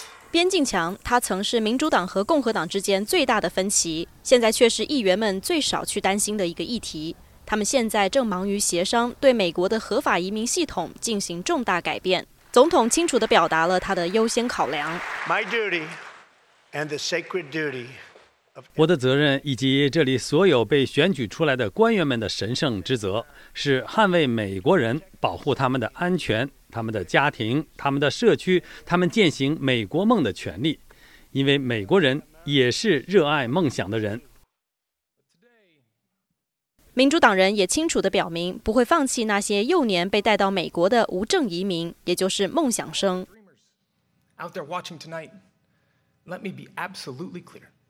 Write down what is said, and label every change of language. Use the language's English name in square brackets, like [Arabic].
[Chinese] 边境墙，它曾是民主党和共和党之间最大的分歧，现在却是议员们最少去担心的一个议题。他们现在正忙于协商，对美国的合法移民系统进行重大改变。总统清楚地表达了他的优先考量。 [English] My duty and the sacred duty. [Chinese] 我的责任以及这里所有被选举出来的官员们的神圣之责是捍卫美国人，保护他们的安全，他们的家庭，他们的社区，他们践行美国梦的权利，因为美国人也是热爱梦想的人。民主党人也清楚地表明，不会放弃那些幼年被带到美国的无证移民，也就是梦想生。 [English] Out there watching tonight, let me be absolutely clear.